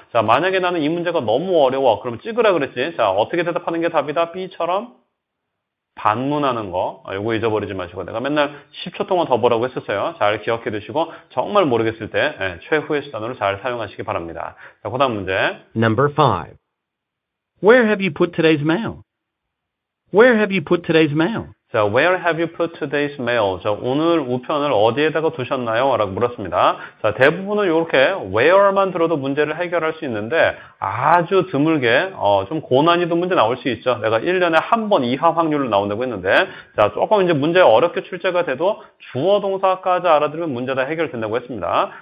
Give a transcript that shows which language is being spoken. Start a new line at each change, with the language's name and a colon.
Korean: 자, 만약에 나는 이 문제가 너무 어려워. 그럼 찍으라 그랬지. 자, 어떻게 대답하는 게 답이다? B처럼 반문하는 거. 이거 잊어버리지 마시고. 내가 맨날 10초 동안 더 보라고 했었어요. 잘 기억해 두시고, 정말 모르겠을 때 최후의 수단으로 잘 사용하시기 바랍니다. 자, 그 다음 문제.
English: Number 5. Where have you put today's mail? Where have you put today's mail? 자, 자, where have you put today's mail?
Korean: 자, 오늘 우편을 어디에다가 두셨나요? 라고 물었습니다. 자, 대부분은 이렇게 where만 들어도 문제를 해결할 수 있는데 아주 드물게 좀 고난이도 문제 나올 수 있죠. 내가 1년에 한 번 이하 확률로 나온다고 했는데 자, 조금 이제 문제 어렵게 출제가 돼도 주어 동사까지 알아들으면 문제 다 해결된다고 했습니다.